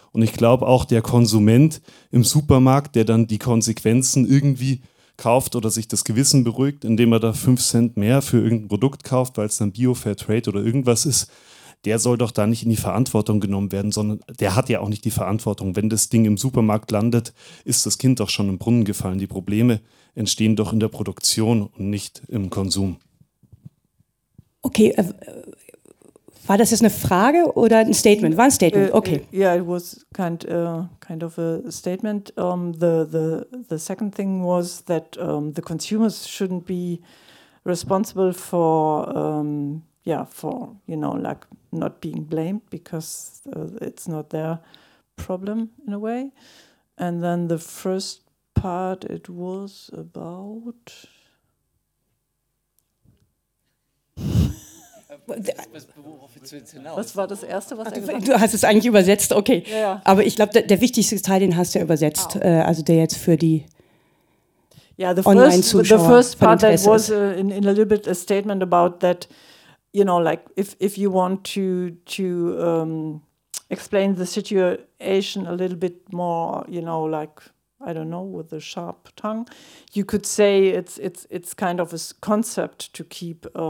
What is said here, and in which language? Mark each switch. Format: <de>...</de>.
<de>Und ich glaube auch, der Konsument im Supermarkt, der dann die Konsequenzen irgendwie kauft oder sich das Gewissen beruhigt, indem er da 5 Cent mehr für irgendein Produkt kauft, weil es dann Bio, Fair Trade oder irgendwas ist, der soll doch da nicht in die Verantwortung genommen werden, sondern der hat ja auch nicht die Verantwortung. Wenn das Ding im Supermarkt landet, ist das Kind doch schon im Brunnen gefallen. Die Probleme entstehen doch in der Produktion und nicht im Konsum. Okay, war das jetzt eine Frage oder ein Statement? War ein Statement, okay.</de> <en>Yeah, it was kind of a statement. The second thing was that the consumers shouldn't be responsible for, for, you know, like not being blamed because it's not their problem in a way. And then the first part, it was about...</en> <de>Was war das Erste, was er gesagt hat? Du hast es eigentlich übersetzt, okay. Ja, ja. Aber ich glaube, der wichtigste Teil, den hast du ja übersetzt, also der jetzt für die Online-Zuschauer.</de> <en>The first part that was in a little bit a statement about that, you know, like if you want to explain the situation a little bit more, you know, like, I don't know, with a sharp tongue, you could say it's kind of a concept to keep...</en>